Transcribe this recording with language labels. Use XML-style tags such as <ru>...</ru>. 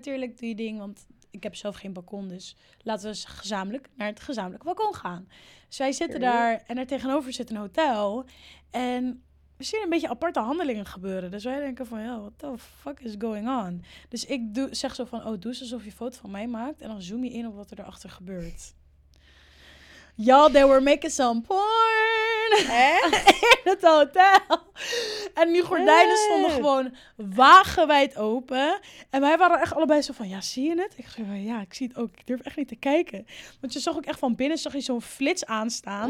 <nl>Tuurlijk, doe je ding, want ik heb zelf geen balkon. Dus laten we eens gezamenlijk naar het gezamenlijke balkon gaan. Dus wij zitten daar en er tegenover zit een hotel. En we zien een beetje aparte handelingen gebeuren. Dus wij denken van,</nl> <en>yo, what the fuck is going on?</en> <nl>Dus ik zeg zo van, oh, doe eens alsof je foto van mij maakt. En dan zoom je in op wat er erachter gebeurt.</nl> <en>Y'all, they were making some porn.</en> <nl>In het hotel. En die gordijnen stonden gewoon wagenwijd open. En wij waren echt allebei zo van, ja, zie je het? Ik zei van, ja, ik zie het ook. Ik durf echt niet te kijken. Want je zag ook echt van binnen, zag je zo'n flits aanstaan.</nl>